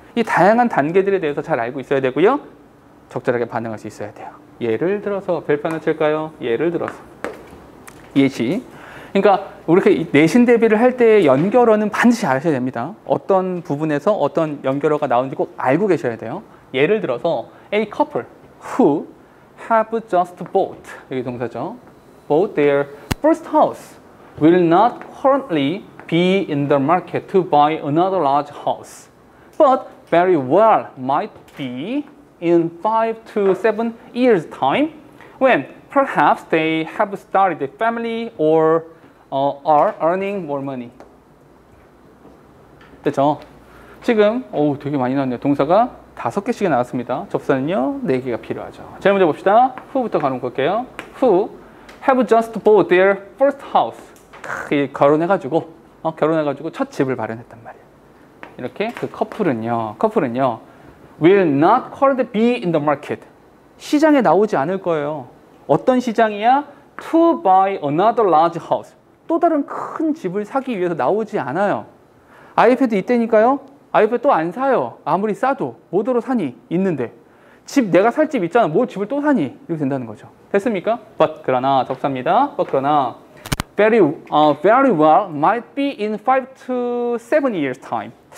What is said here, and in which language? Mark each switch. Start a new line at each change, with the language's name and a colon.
Korean: 이 다양한 단계들에 대해서 잘 알고 있어야 되고요. 적절하게 반응할 수 있어야 돼요. 예를 들어서, 별표 하나 칠까요? 예를 들어서. 예시. 그러니까 이렇게 내신 대비를 할 때 연결어는 반드시 아셔야 됩니다. 어떤 부분에서 어떤 연결어가 나오는지 꼭 알고 계셔야 돼요.
English: 예를 들어서 a couple who have just bought,
Korean: 여기 동사죠,
English: bought their first house will not currently be in the market to buy another large house, but very well might be in 5 to 7 years time when perhaps they have started a family or are earning more money.
Korean: 됐죠? 지금 되게 많이 나왔네요. 동사가 5개씩이 나왔습니다. 접사는요, 4개가 필요하죠. 제일 먼저 봅시다. Who부터 가로 놓을게요.
English: who have just bought their first house.
Korean: 결혼해가지고 결혼해가지고 첫 집을 마련했단 말이야. 이렇게 그 커플은요
English: will not currently be in the market.
Korean: 시장에 나오지 않을 거예요. 어떤 시장이야?
English: To buy another large house.
Korean: 또 다른 큰 집을 사기 위해서 나오지 않아요. 아이패드 이때니까요. 아이패드 또 안 사요. 아무리 싸도 뭐더러 사니? 있는데 집 내가 살 집 있잖아. 뭐 집을 또 사니? 이렇게 된다는 거죠. 됐습니까? But 그러나 접사입니다.
English: But
Korean: 그러나
English: very well might be in 5 to 7 years time.